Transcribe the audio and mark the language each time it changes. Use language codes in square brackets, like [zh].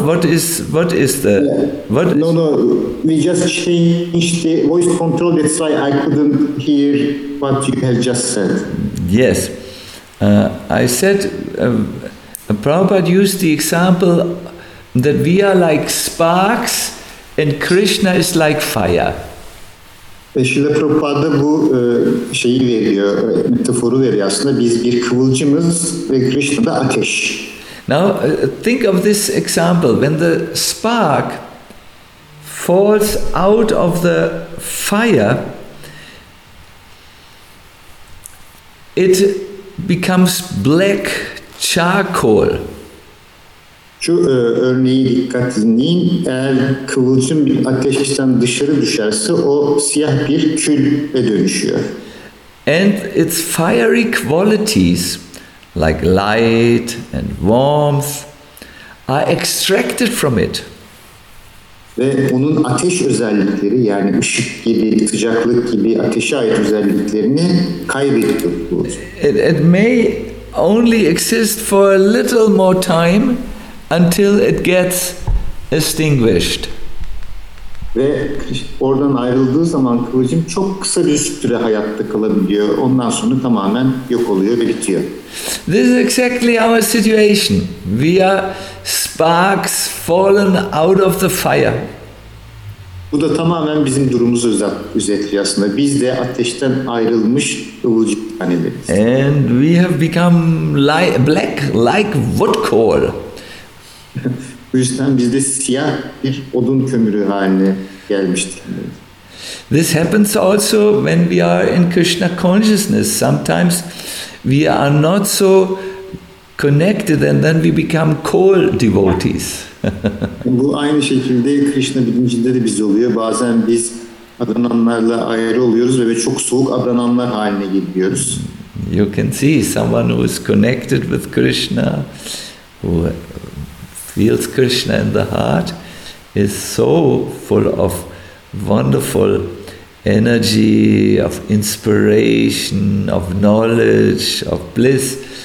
[en] We just changed the voice control. That's why I couldn't hear what you have just said. Yes, I said Prabhupada used the example that we are like sparks. And Krishna is like fire. [tr] Srila Prabhupada bu şeyi veriyor, metaforu veriyor aslında. Biz bir kıvılcımız ve Krishna da ateş. [en] Now think of this example. When the spark falls out of the fire, it becomes black charcoal. [tr] Şu örneği dikkat edin. Eğer kıvılcım ateşten dışarı düşerse o siyah bir küle dönüşüyor. [en] And its fiery qualities like light and warmth are extracted from it. [tr] Ve onun ateş özellikleri yani ışık gibi, sıcaklık gibi ateşe ait özelliklerini kaybediyor. [en] It may only exist for a little more time until it gets extinguished. [tr] Ve oradan ayrıldığı zaman kıvılcım çok kısa bir süre hayatta kalabiliyor. Ondan sonra tamamen yok oluyor, bitiyor. [en] This is exactly our situation. We are sparks fallen out of the fire. [tr] Bu da tamamen bizim durumumuzu özetliyor aslında. Biz de ateşten ayrılmış kıvılcım taneleriz. [en] And we have become black like wood coal. [tr] Bu yüzden bizde siyah bir odun kömürü haline gelmiştik. [en] This happens also when we are in Krishna consciousness. Sometimes we are not so connected, and then we become co-devotees. [tr] Bu aynı şekilde Krishna bilincinde de biz oluyor. Bazen biz adananlarla ayrı oluyoruz ve çok soğuk adananlar haline geliyoruz. [en] You can see someone who is connected with Krishna, who feels Krishna in the heart, is so full of wonderful energy, of inspiration, of knowledge, of bliss.